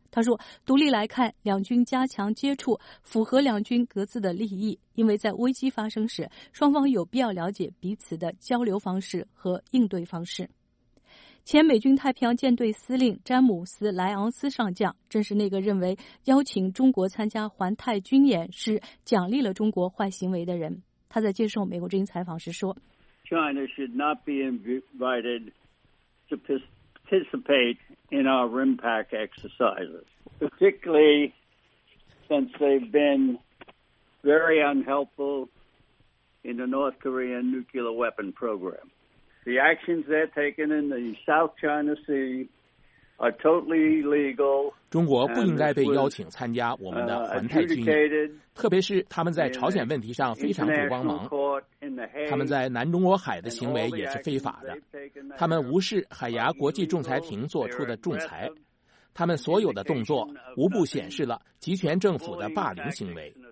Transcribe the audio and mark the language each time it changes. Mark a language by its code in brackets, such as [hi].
[zh] 他说，独立来看，两军加强接触符合两军各自的利益，因为在危机发生时，双方有必要了解彼此的交流方式和应对方式。前美军太平洋舰队司令詹姆斯·莱昂斯上将正是那个认为邀请中国参加环太军演是奖励了中国坏行为的人。他在接受美国之音采访时说， [en] China should not be invited to participate in our RIMPAC exercises, particularly since they've been very unhelpful in the North Korean nuclear weapon program. The actions they're taking in the South China Sea are totally illegal. [zh] 中国不应该被邀请参加我们的环太军演，特别是他们在朝鲜问题上非常不光芒，他们在南中国海的行为也是非法的，他们无视海牙国际仲裁庭做出的仲裁，他们所有的动作无不显示了集权政府的霸凌行为。